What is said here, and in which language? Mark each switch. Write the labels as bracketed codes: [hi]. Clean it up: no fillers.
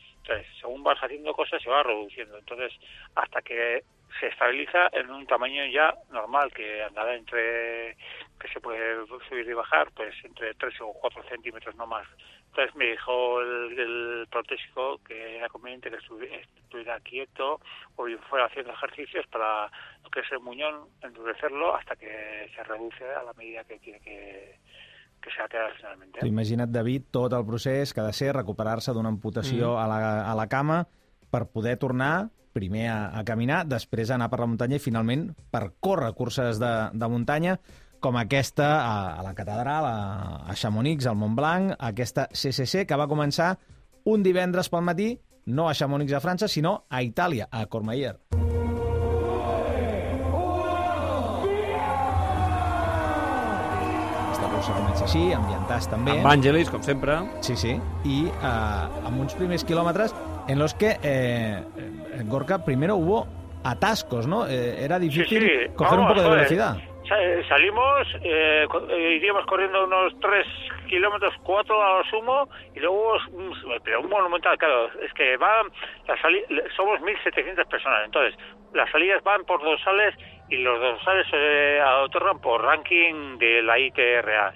[es] Entonces, según vas haciendo cosas, se va reduciendo. Entonces, hasta que se estabiliza en un tamaño ya normal, que andará entre, que se puede subir y bajar, pues entre 3 o 4 centímetros no más. Entonces me dijo el protésico que era conveniente que estuviera quieto o fuera haciendo ejercicios para lo que es el muñón, endurecerlo hasta que se reduce a la medida que tiene que se ha quedado finalmente. [ca] T'ho imagina't, David, tot el procés que ha de ser recuperar-se d'una amputació a la cama per poder tornar primer a caminar, després anar per la muntanya i finalment per córrer curses de muntanya, com aquesta a la catedral, a Chamonix, al Montblanc, aquesta CCC, que va començar un divendres pel matí, no a Chamonix a França, sinó a Itàlia, a Courmayeur. Comença així, ambientàs també. Amb Àngelis, com sempre. Sí, sí. I amb uns primers quilòmetres [es] en los que, Gorka, primero hubo atascos, ¿no? Era difícil sí, sí. coger vamos, un poco de velocidad. Salimos, iríamos corriendo unos 3 kilómetros, 4 a lo sumo, y luego, pero un monumental, claro, es que va, somos 1.700 personas, entonces las salidas van por dorsales y los dorsales se otorgan por ranking de la ITRA.